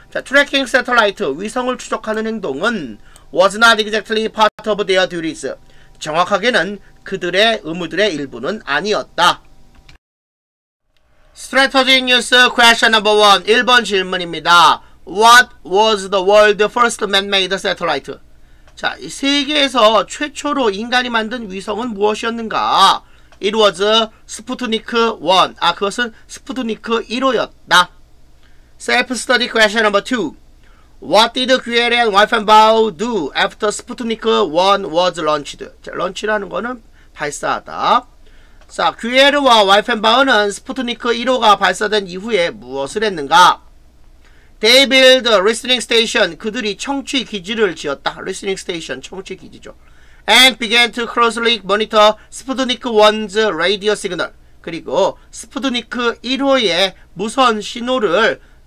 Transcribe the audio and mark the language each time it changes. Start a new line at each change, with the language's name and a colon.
English: 자, tracking satellite,
Korean: 위성을 추적하는 행동은
English: was not exactly part of their duties.
Korean: 정확하게는 그들의 의무들의 일부는 아니었다.
English: Strategy News Question No. 1.
Korean: 1번 질문입니다.
English: What was the world first man-made satellite?
Korean: 자, 이 세계에서 최초로 인간이 만든 위성은 무엇이었는가?
English: It was Sputnik 1.
Korean: 아, 그것은 Sputnik 1호였다.
English: Self-study Question No. 2. What did Query and Wiefenbau do after Sputnik 1 was launched?
Korean: 자, launch라는 거는 발사하다. 자, 규에르와 와이펜바우는 스푸트니크 1호가 발사된 이후에 무엇을 했는가?
English: They built a listening station.
Korean: 그들이 청취 기지를 지었다.
English: listening station,
Korean: 청취 기지죠.
English: And began to closely monitor Sputnik 1's radio signal.
Korean: 그리고 스푸트니크 1호의 무선 신호를